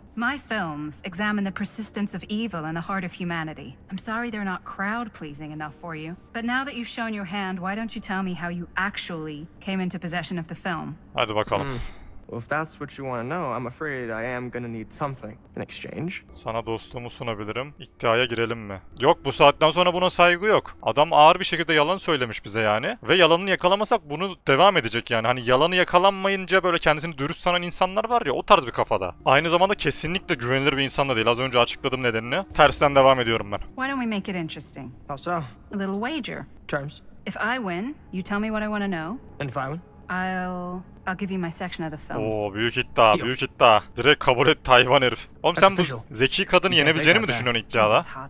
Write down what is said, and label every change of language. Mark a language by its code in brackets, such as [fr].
[en] My films examine the persistence of evil in the heart of humanity. I'm sorry they're not crowd-pleasing enough for you. But now that you've shown your hand, why don't you tell me how you actually came into possession of the film? [tr] Hadi bakalım. [en] Well, if that's what you want to know, I'm afraid I am gonna need something in exchange. [tr] Sana dostluğumu sunabilirim. İddiaya girelim mi? Yok, bu saatten sonra buna saygı yok. Adam ağır bir şekilde yalan söylemiş bize yani. Ve yalanını yakalamasak bunu devam edecek yani. Hani yalanı yakalanmayınca böyle kendisini dürüst sanan insanlar var ya, o tarz bir kafada. Aynı zamanda kesinlikle güvenilir bir insan da değil. Az önce açıkladığım nedenini. Tersten devam ediyorum ben. [en] Why don't we make it interesting? How so? A little wager. Terms. If I win, you tell me what I want to know. And if I win? I'll give you my section of the film. [tr] Oo, büyük iddia, deal. Büyük iddia. Direkt kabul et Tayvan herif. Oğlum sen bu zeki kadını yenebileceğini mi düşünüyorsun iddiada?